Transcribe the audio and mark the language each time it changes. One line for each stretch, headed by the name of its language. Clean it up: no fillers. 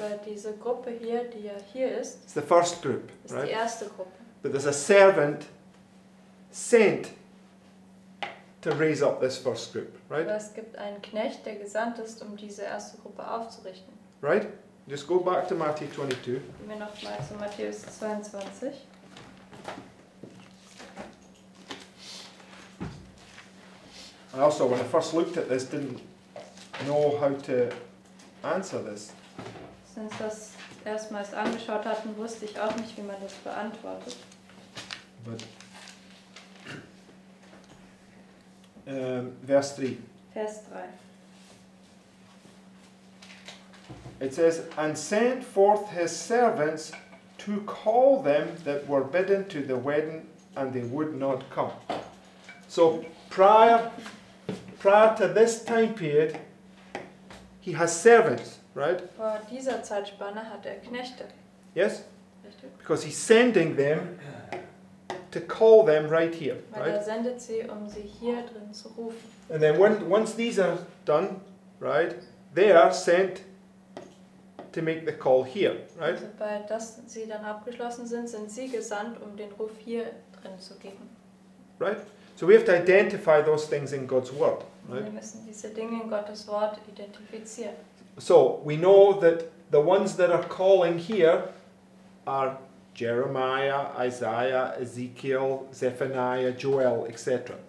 German: Aber diese Gruppe hier, die ja hier ist,
English: it's the first group, right?
German: Ist die erste Gruppe.
English: But there's a servant sent to raise up this first group, right?
German: Aber es gibt einen Knecht, der gesandt ist, um diese erste Gruppe aufzurichten.
English: Right? Just go back to Matthew 22.
German: Gehen wir noch mal zu Matthäus 22.
English: I also, when I first looked at this, didn't know how to answer this.
German: Since das erstmals angeschaut hatten, wusste ich auch nicht, wie man das beantwortet.
English: But Vers 3. It says, and sent forth his servants to call them that were bidden to the wedding, and they would not come. So prior to this time period, he has servants, right?
German: Vor dieser Zeitspanne hat er Knechte.
English: Yes? Because he's sending them to call them right here, right?
German: Weil er sendet sie, um sie hier drin zu rufen.
English: And then once these are done, right, they are sent to make the call here, right?
German: Sobald das sie dann abgeschlossen sind, sind sie gesandt, um den Ruf hier drin zu geben.
English: Right? So we have to identify those things in God's word, right?
German: Wir müssen diese Dinge in Gottes Wort identifizieren.
English: So we know that the ones that are calling here are Jeremiah, Isaiah, Ezekiel, Zephaniah, Joel, etc.